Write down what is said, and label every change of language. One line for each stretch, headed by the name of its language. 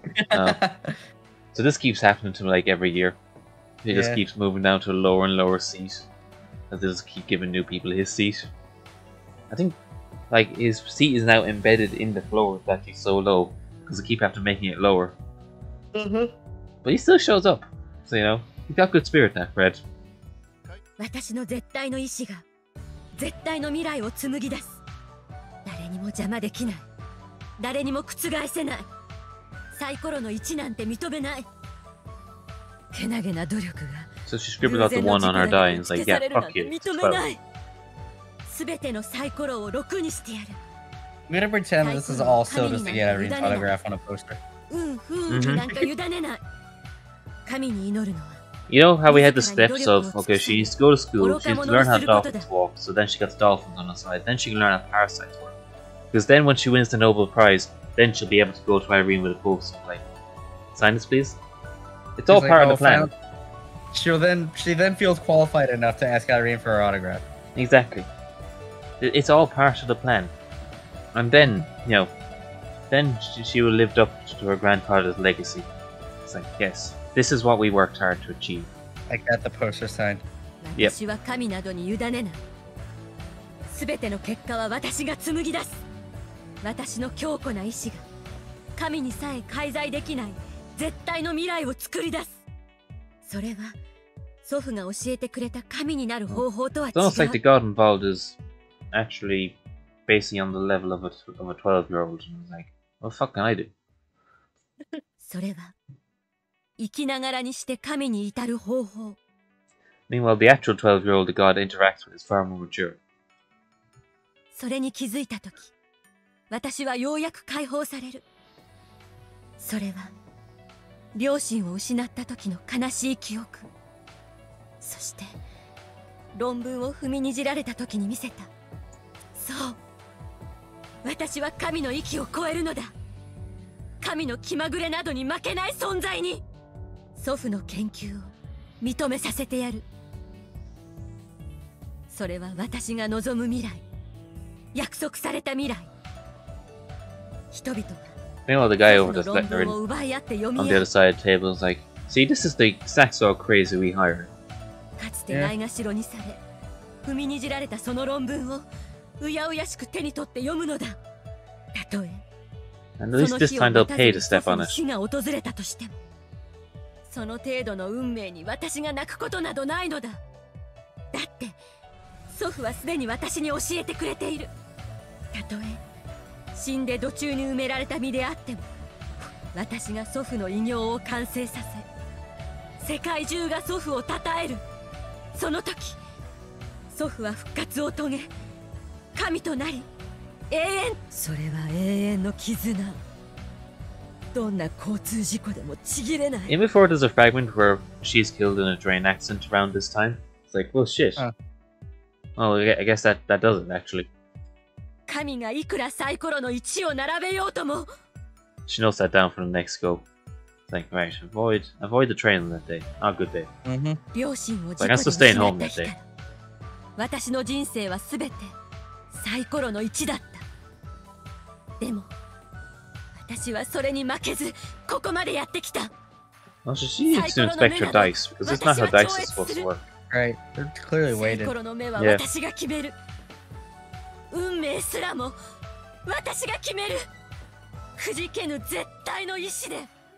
English: So this keeps happening to him like every year. He just keeps moving down to a lower and lower seat. And they just keep giving new people his seat. I think, like, his seat is now embedded in the floor. That he's so low, because they keep after making it lower. But he still shows up, so you know he's got good spirit now, Fred. My
Japanese: 絶対の意志が絶対の未来を紡ぎ出す。誰にも邪魔できない。誰にも覆せない。サイコロの一なんて認めない。けなげな努力が。
English: So she scribbled out the one on her die and is like, yeah, fuck you.
Japanese: すべてのサイコロを六にしてやる。
English: I'm gonna pretend this is all still just to get everyone's autograph on a poster.
Japanese: なんか委ねない。神に祈るのは。
English: You know how we had the steps of, okay, she needs to go to school, she needs to learn how dolphins walk, so then she gets dolphins on her side, then she can learn how parasites work. Because then when she wins the Nobel Prize, then she'll be able to go to Irene with a post and like, sign this please. It's all part of the plan. She then feels qualified enough to ask Irene for her autograph. Exactly. It's all part of the plan. And then, you know, then she will live up to her grandfather's legacy. It's like, yes, this is what we worked hard to achieve. I got the poster signed. Yep.
Japanese: 私は神などに委ねない。すべての結果は私が紡ぎ出す。私の強固な意志が神にさえ介在できない絶対の未来を作り出す。それは祖父が教えてくれた神になる方法とは違う。
English: Sounds like the garden vault is actually basically on the level of a 12-year-old. And he's like, what the fuck can I do?
Japanese: それは生きながらにして神に至る方法。
English: Meanwhile, the actual 12-year-old the god interacts with is far more mature.
Japanese: それに気づいたとき、私はようやく解放される。それは両親を失った時の悲しい記憶、そして論文を踏みにじられた時に見せた。そう、私は神の域を超えるのだ。神の気まぐれなどに負けない存在に。祖父の研究を認めさせてやる。それは私が望む未来、約束された未来。人々が、
English: Meanwhile, the guy over the there on the other side of the table is like, see, this is the exact sort of crazy we hired. Yeah. And at least this time they'll pay to step on it.
Japanese: その程度の運命に私が泣くことなどないのだ。だって、祖父はすでに私に教えてくれている。たとえ死んで土中に埋められた身であっても、私が祖父の偉業を完成させ、世界中が祖父を称える。その時祖父は復活を遂げ、神となり永遠。それは永遠の絆、どんな交通事故でもちぎれない。
English: In before there's a fragment where she's killed in a train accident around this time. It's like, well, shit. Well, I guess that does it actually.
Japanese: 神がいくらサイコロの一を並べようとも。
English: She notes that down for the next go. It's like, right, avoid the train on that day. Not a good day. Mm-hmm.
Japanese: 両親を事故に失った日から、
English: staying home that day.
Japanese: 私の人生はすべてサイコロの一だった。でも、私はそれに負けずここまでやってきた。
English: Well, she needs to inspect her dice, because it's not how dice is supposed to work. Right, it's clearly weighted.
Japanese: サイコロの目は私が決める。
English: Yeah.
Japanese: 運命すらも私が決める。くじけぬ絶対の意志で。